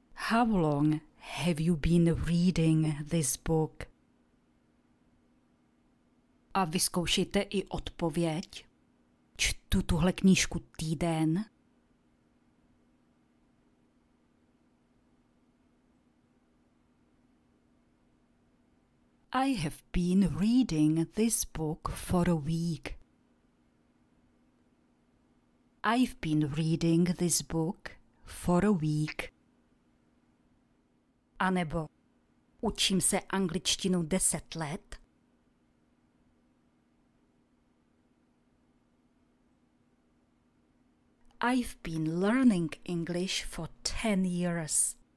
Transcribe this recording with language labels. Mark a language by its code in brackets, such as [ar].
[en] How long have you been reading this book? [cs] A vyzkoušejte i odpověď. Čtu tuhle knížku týden. [en] I have been reading this book for a week. I've been reading this book for a week. [cs] A nebo učím se angličtinu 10 let. [en] I've been learning English for 10 years.